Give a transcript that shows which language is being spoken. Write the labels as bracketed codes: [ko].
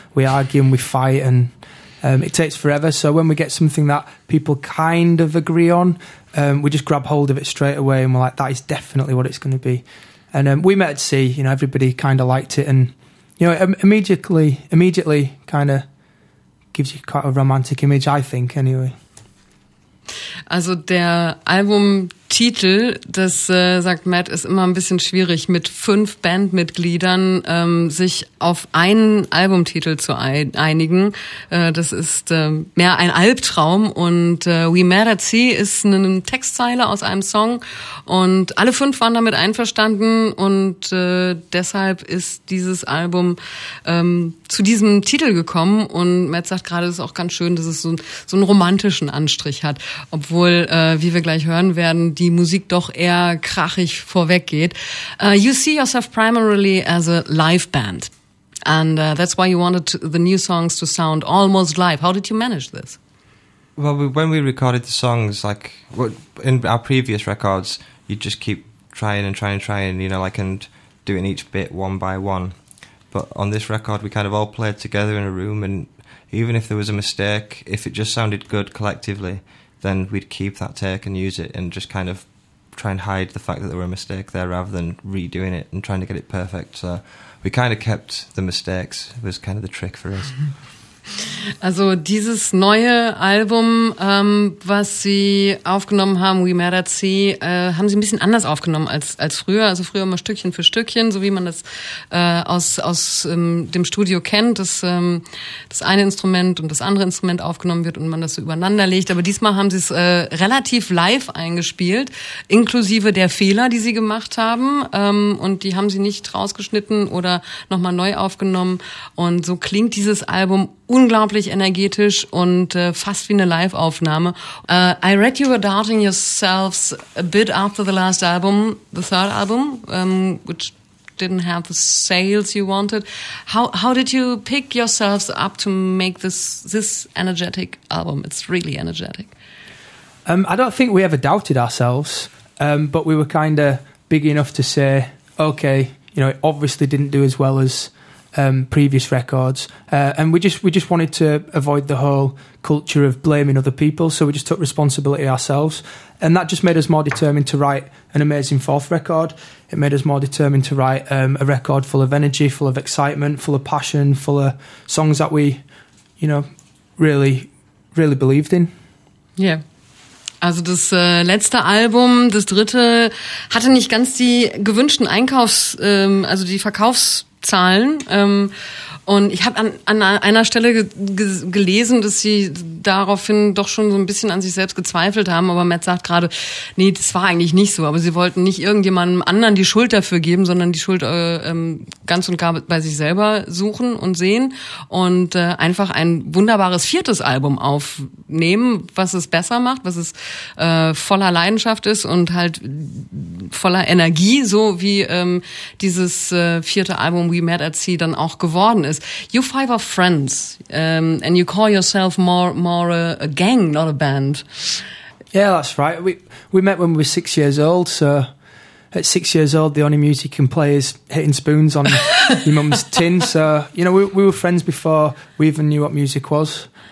[en] We argue and we fight, and it takes forever. So when we get something that people kind of agree on, we just grab hold of it straight away, and we're like, that is definitely what it's going to be. And we met at sea, you know, everybody kind of liked it, and you know, immediately kind of gives you quite a romantic image, I think, anyway. [de] Also der Albumtitel, das sagt Matt, ist immer ein bisschen schwierig, mit fünf Bandmitgliedern sich auf einen Albumtitel zu einigen. Das ist mehr ein Albtraum und We Met at Sea ist eine Textzeile aus einem Song und alle fünf waren damit einverstanden und deshalb ist dieses Album zu diesem Titel gekommen und Matt sagt gerade, es ist auch ganz schön, dass es so einen romantischen Anstrich hat, obwohl, wie wir gleich hören werden, die Musik doch eher krachig vorweg geht. [en] You see yourself primarily as a live band. And that's why you wanted the new songs to sound almost live. How did you manage this? Well, when we recorded the songs, like in our previous records, you just keep trying and trying and trying, you know, like, and doing each bit one by one. But on this record, we kind of all played together in a room, and even if there was a mistake, if it just sounded good collectively, then we'd keep that take and use it and just kind of try and hide the fact that there were a mistake there rather than redoing it and trying to get it perfect. So we kind of kept the mistakes. It was kind of the trick for us. [de] Also dieses neue Album, was Sie aufgenommen haben, We Mad at Sea, haben Sie ein bisschen anders aufgenommen als früher. Also früher immer Stückchen für Stückchen, so wie man das aus dem Studio kennt, dass das eine Instrument und das andere Instrument aufgenommen wird und man das so übereinander legt. Aber diesmal haben Sie es relativ live eingespielt, inklusive der Fehler, die Sie gemacht haben. Und die haben Sie nicht rausgeschnitten oder nochmal neu aufgenommen. Und so klingt dieses Album unglaublich energetisch und fast wie eine Live-Aufnahme. [en] I read you were doubting yourselves a bit after the last album, the third album, which didn't have the sales you wanted. How did you pick yourselves up to make this energetic album? It's really energetic. I don't think we ever doubted ourselves, but we were kind of big enough to say, okay, you know, it obviously didn't do as well as previous records, and we just wanted to avoid the whole culture of blaming other people, so we just took responsibility ourselves, and that just made us more determined to write an amazing fourth record. It made us more determined to write a record full of energy, full of excitement, full of passion, full of songs that we, you know, really, really believed in. Yeah. [de] Also das letzte Album, das dritte, hatte nicht ganz die gewünschten Verkaufszahlen. Und ich habe an einer Stelle gelesen, dass Sie daraufhin doch schon so ein bisschen an sich selbst gezweifelt haben. Aber Matt sagt gerade, nee, das war eigentlich nicht so. Aber Sie wollten nicht irgendjemandem anderen die Schuld dafür geben, sondern die Schuld ganz und gar bei sich selber suchen und sehen. Und einfach ein wunderbares viertes Album aufnehmen, was es besser macht, was es voller Leidenschaft ist und halt voller Energie, so wie dieses vierte Album We Mad at Sea dann auch geworden ist. [en] You five are friends, and you call yourself more a gang, not a band. Yeah, that's right. We met when we were 6 years old, so at 6 years old, the only music you can play is hitting spoons on your mum's tin. So, you know, we were friends before we even knew what music was.